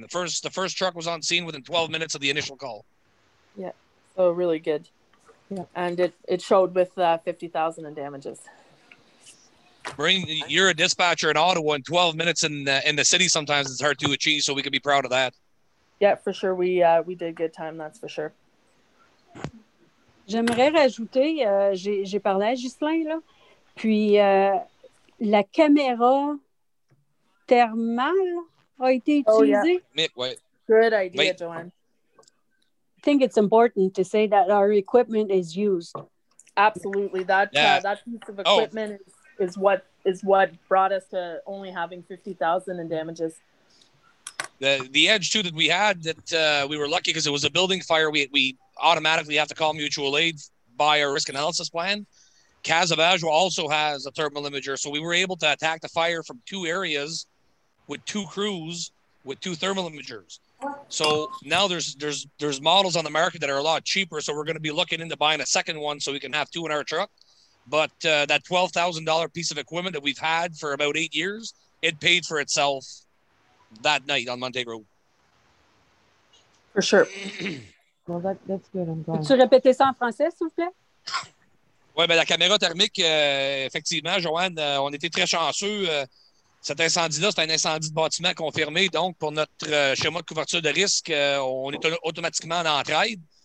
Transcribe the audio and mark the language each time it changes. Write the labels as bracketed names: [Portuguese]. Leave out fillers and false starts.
[English] The first truck was on scene within 12 minutes of the initial call. Yeah, so really good. Yeah. And it showed with 50,000 in damages. You're a dispatcher in Ottawa, and 12 minutes in the city sometimes it's hard to achieve, so we can be proud of that. Yeah, for sure. We did good time, that's for sure. [French] J'aimerais rajouter, j'ai parlé à Ghislain, là, puis la caméra thermale a été utilisée. [English] Oh, yeah. Wait. Good idea, wait. Joanne. I think it's important to say that our equipment is used. Absolutely. That piece of equipment is what brought us to only having 50,000 in damages. The edge, too, that we had, that we were lucky because it was a building fire. We automatically have to call mutual aid by our risk analysis plan. CAS of Ajwa also has a thermal imager. So we were able to attack the fire from two areas with two crews with two thermal imagers. So now there's models on the market that are a lot cheaper. So we're going to be looking into buying a second one so we can have two in our truck. But that $12,000 piece of equipment that we've had for about 8 years, it paid for itself that night on Montague Road. For sure. Well, that's good. I'm glad. [French] Peux-tu répéter ça en français, s'il vous plaît? Oui, bien, la caméra thermique, effectivement, Joanne, on était très chanceux. Cet incendie-là, c'est un incendie de bâtiment confirmé. Donc, pour notre schéma de couverture de risque, on est automatiquement en entraide.